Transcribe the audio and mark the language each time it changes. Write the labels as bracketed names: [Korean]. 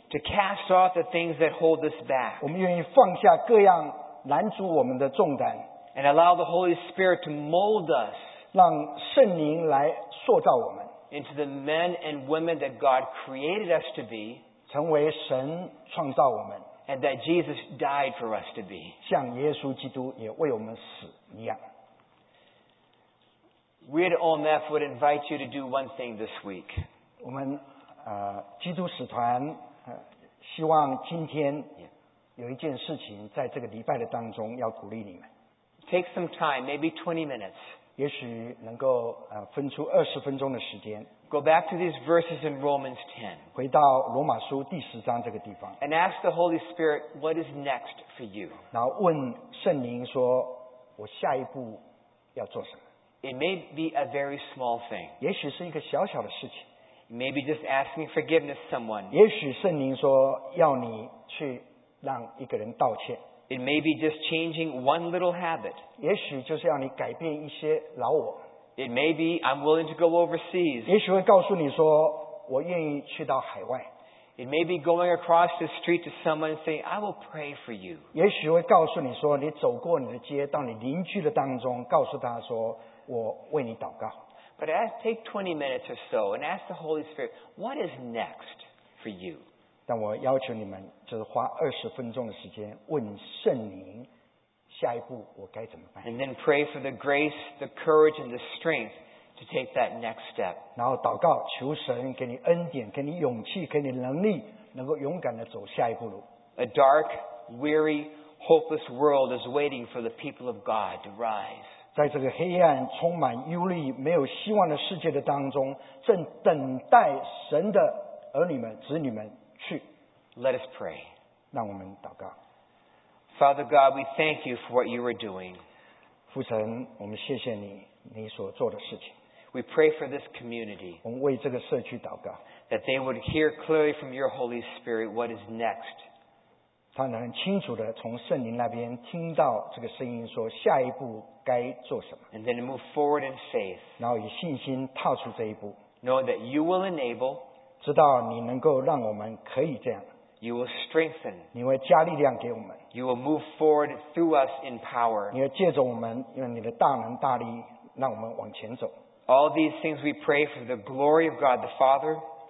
[English] To cast off the things that hold us back. [Chinese] 我们愿意放下各样拦阻我们的重担。 [English] And allow the Holy Spirit to mold us. [Chinese] 让圣灵来塑造我们 [English] into the men and women that God created us to be, [Chinese] 成为神创造我们 [English] and that Jesus died for us to be, [Chinese] 像耶稣基督也为我们死一样。 [English] We at OMF would invite you to do one thing this week. [Chinese] 我们基督使团希望今天有一件事情在这个礼拜的当中要鼓励你们。 [English] Take some time, maybe 20 minutes. [Chinese] 也许能够分出二十分钟的时间。 [English] Go back to these verses in Romans 10. [Chinese] 回到罗马书第十章这个地方。 [English] And ask the Holy Spirit, what is next for you? [Chinese] 然后问圣灵说，我下一步要做什么。 [English] It may be a very small thing. [Chinese] 也许是一个小小的事情。 [English] Maybe just asking forgiveness someone. [Chinese] 也许圣灵说，要你去让一个人道歉。 [English] It may be just changing one little habit. [Chinese] 也许就是要你改变一些老我。 [English] It may be I'm willing to go overseas. [Chinese] 也许会告诉你说我愿意去到海外。 [English] It may be going across the street to someone and saying I will pray for you. [Chinese] 也许会告诉你说你走过你的街到你邻居的当中告诉他说我为你祷告。 [English] But take 20 minutes or so and ask the Holy Spirit, what is next for you? [Chinese] 但我要求你们就是花二十分钟的时间问圣灵下一步我该怎么办。 [English] And then pray for the grace, the courage, and the strength to take that next step. [Chinese] 然后祷告求神给你恩典给你勇气给你能力能够勇敢地走下一步路。 [English] A dark, weary, hopeless world is waiting for the people of God to rise. [Chinese] 在这个黑暗充满忧虑没有希望的世界的当中正等待神的儿女们子女们 [English] Let us pray. [Chinese] 让我们祷告。 [English] Father God, we thank you for what you are doing. [Chinese] 父神，我们谢谢你，你所做的事情。 [English] We pray for this community. [Chinese] 我们为这个社区祷告。 [English] That they would hear clearly from your Holy Spirit what is next. [Chinese] 他能清楚地从圣灵那边听到这个声音说下一步该做什么。 [English] And then move forward in faith. [Chinese] 然后以信心踏出这一步。 [English] Know that you will enable. [Chinese] 知道你能够让我们可以这样。 [English] You will strengthen. [Chinese] 你会加力量给我们。 [English] You will move forward through us in power. [Chinese] 你会借着我们，用你的大能大力，让我们往前走。 [English] All these things we pray for the glory of God the Father.